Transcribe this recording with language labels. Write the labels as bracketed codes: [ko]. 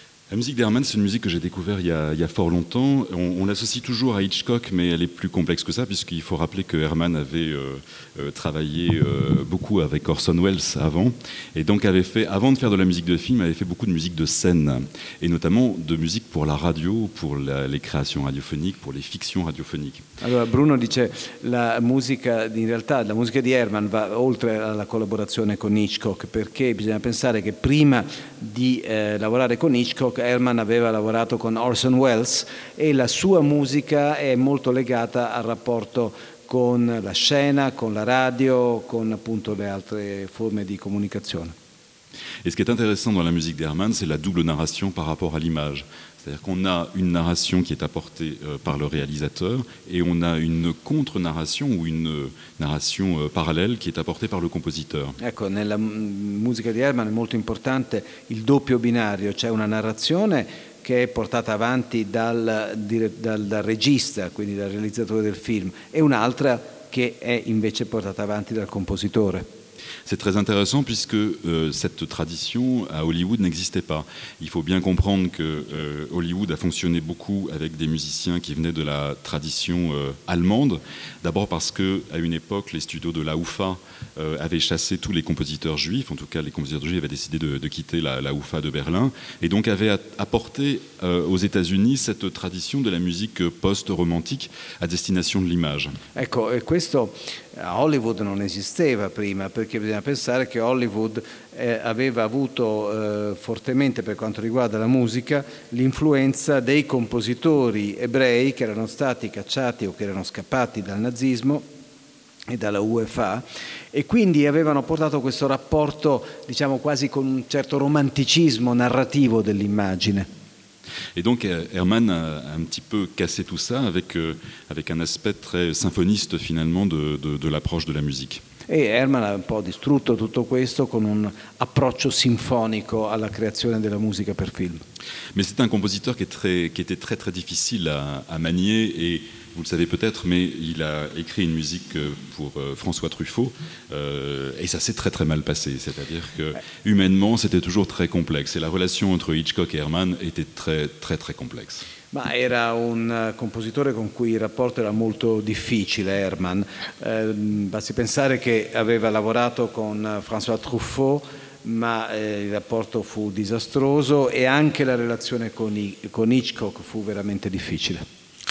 [fr] La musique d'Herrmann, c'est une musique que j'ai découvert il y a fort longtemps. On l'associe toujours à Hitchcock, mais elle est plus complexe que ça, puisqu'il faut rappeler que Herrmann avait travaillé beaucoup avec Orson Welles avant, et donc avait fait, avant de faire de la musique de film, avait fait beaucoup de musique de scène, et notamment de musique pour la radio, pour les créations radiophoniques, pour les fictions radiophoniques. [it] Alors Bruno dice la musica, in realtà la musica di Herrmann va oltre alla collaborazione con Hitchcock, perché bisogna pensare che prima di lavorare con Hitchcock Herrmann aveva lavorato con Orson Welles, e la sua musica è molto legata al rapporto con la scena, con la radio, con appunto le altre forme di comunicazione. [fr] Et ce qui est intéressant dans la musique d'Herrmann, c'est la double narration par rapport à l'image. C'est-à-dire qu'on a une narration qui est apportée par le réalisateur et on a une contre-narration ou une narration parallèle qui est apportée par le compositeur. [it] Ecco, nella musica di Herrmann è molto importante il doppio binario, cioè una narrazione che è portata avanti dal regista, quindi dal realizzatore del film, e un'altra che è invece portata avanti dal compositore. [fr] C'est très intéressant puisque cette tradition à Hollywood n'existait pas. Il faut bien comprendre que Hollywood a fonctionné beaucoup avec des musiciens qui venaient de la tradition allemande. D'abord parce qu'à une époque, les studios de la UFA avaient chassé tous les compositeurs juifs. En tout cas, les compositeurs juifs avaient décidé de quitter la UFA de Berlin. Et donc avaient apporté aux États-Unis cette tradition de la musique post-romantique à destination de l'image. [it] Ecco, e questo a Hollywood non esisteva prima, perché bisogna pensare che Hollywood aveva avuto fortemente, per quanto riguarda la musica, l'influenza dei compositori ebrei che erano stati cacciati o che erano scappati dal nazismo e dalla UEFA, e quindi avevano portato questo rapporto, diciamo, quasi con un certo romanticismo narrativo dell'immagine. [fr] Et donc Hermann a un petit peu cassé tout ça avec un aspect très symphoniste finalement de l'approche de la musique. Et Hermann a un peu [it] distrutto tutto questo con un approccio sinfonico alla creazione della musica per film. [fr] Mais c'est un compositeur qui était très difficile à manier, et vous le savez peut-être, mais il a écrit une musique pour François Truffaut et ça s'est très très mal passé. C'est-à-dire que humainement, c'était toujours très complexe, et la relation entre Hitchcock et Hermann était très très très complexe. [it] Ma era un compositore con cui il rapporto era molto difficile, Hermann. Basti pensare che aveva lavorato con François Truffaut, ma il rapporto fu disastroso, e anche la relazione con Hitchcock fu veramente difficile.